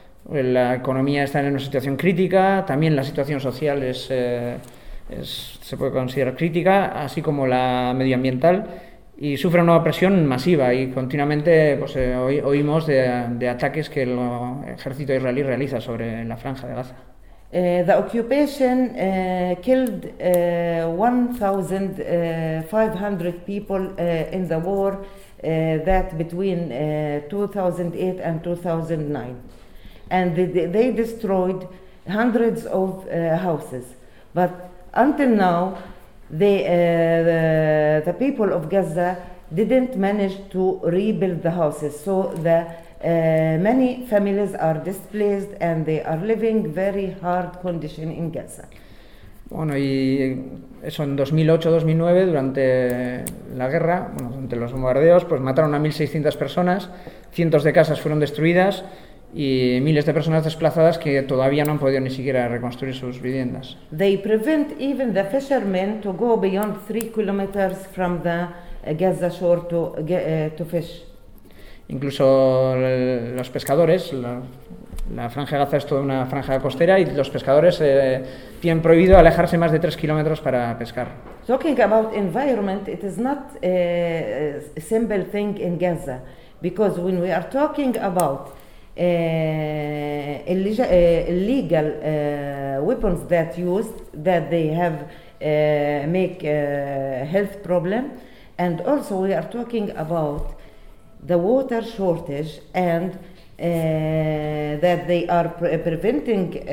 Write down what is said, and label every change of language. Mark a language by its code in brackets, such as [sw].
[es] La economía está en una situación crítica. También la situación social se puede considerar crítica, así como la medioambiental. Y sufre una opresión masiva y continuamente pues, oímos de ataques que el ejército israelí realiza sobre la franja de Gaza. [en] The occupation killed 1,500 people in the war that between 2008 and 2009. And they destroyed hundreds of houses. But until now, the people of Gaza didn't manage to rebuild the houses. So the many families are displaced and they are living very hard condition in Gaza. [es] Bueno, y eso en 2008-2009, durante la guerra, bueno, durante los bombardeos, pues mataron a 1.600 personas, cientos de casas fueron destruidas y miles de personas desplazadas que todavía no han podido ni siquiera reconstruir sus viviendas. [en] They prevent even the fishermen to go beyond 3 kilometers from the Gaza shore to fish. [es] Incluso los pescadores, la franja de Gaza es toda una franja costera y los pescadores tienen prohibido alejarse más de 3 kilómetros para pescar. [en] Talking about environment, it is not a simple thing in Gaza, because when we are talking about illegal weapons that used, that they have make health problem, and also we are talking about the water shortage and that they are preventing